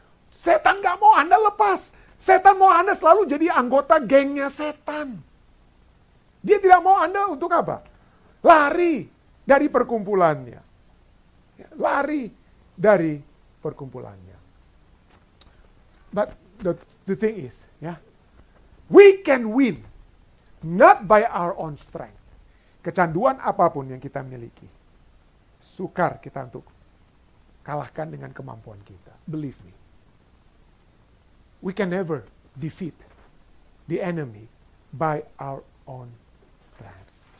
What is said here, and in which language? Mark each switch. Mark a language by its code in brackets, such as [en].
[id] Setan gak mau Anda lepas. Setan mau Anda selalu jadi anggota gengnya setan. Dia tidak mau Anda untuk apa? Lari dari perkumpulannya. Lari dari perkumpulannya. [en] But the thing is, yeah, we can win not by our own strength. [id] Kecanduan apapun yang kita miliki, sukar kita untuk kalahkan dengan kemampuan kita. [en] Believe me. We can never defeat the enemy by our own strength.